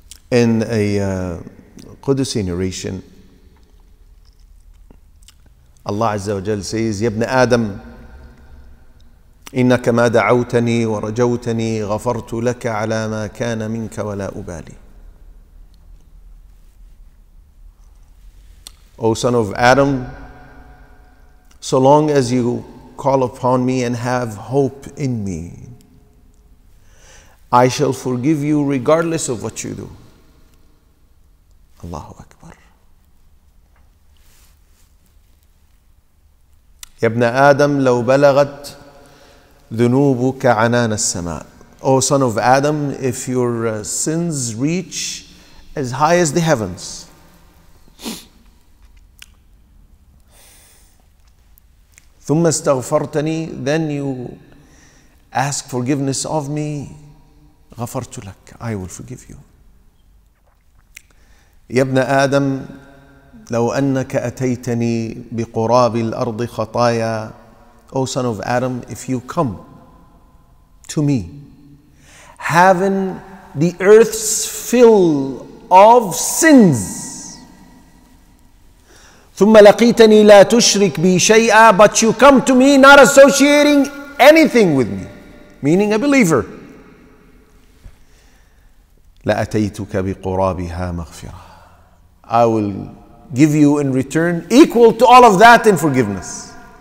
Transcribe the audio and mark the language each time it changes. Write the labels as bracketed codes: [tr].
[en] In a Qudusi narration, Allah Azza wa Jal says, Yabna Adam, [ar] إنك ما دعوتني ورجوتني غفرت لك على ما كان منك ولا أبالي. [en] O son of Adam, so long as you call upon me and have hope in me, I shall forgive you regardless of what you do. [ar] Allahu Akbar. يا ابن آدم لو بلغت ذنوبك عنان السماء. [en] O son of Adam, if your sins reach as high as the heavens. [ar] ثم استغفرتني, [en] then you ask forgiveness of me. [ar] غفرت لك, [en] I will forgive you. [ar] يا ابن آدم لو أنك أتيتني بقراب الأرض خطايا. [en] O son of Adam, if you come to me having the earth's fill of sins, [ar] ثم لقيتني لا تشرك بي شيئا, [en] but you come to me not associating anything with me, meaning a believer, [ar] لأتيتك بقرابها مغفرة, [en] I will give you in return equal to all of that in forgiveness.